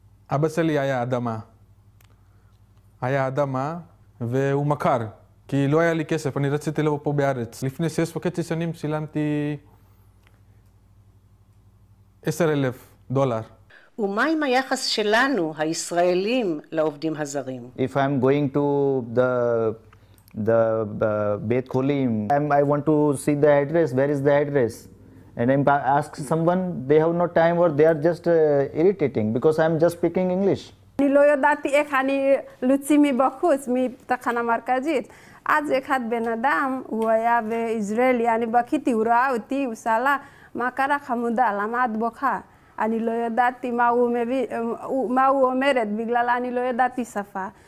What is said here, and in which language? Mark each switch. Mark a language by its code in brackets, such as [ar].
[he] אבא שלי היה אדמה. היה אדמה והוא מכר. כי לא היה לי כסף, אני רציתי לבוא פה בארץ. לפני 6.5 שנים שילמתי $10,000. ומה עם היחס שלנו, הישראלים, לעובדים הזרים? [en] If I'm going to the Beit Kholim, I want to see the address, where is the address? And I'm asking someone, they have no time or they are just irritating because I'm just speaking English. [he] אני לא ידעתי איך אני לוצי מבחוץ, מתחנה מרכזית. אז אחד בן אדם, הוא היה בישראלי, אני בכיתי, הוא ראה אותי, הוא שאלה, מה קרה חמודה, למה את בוכה? אני לא ידעתי מה הוא אומרת, בגלל אני לא ידעתי שפה.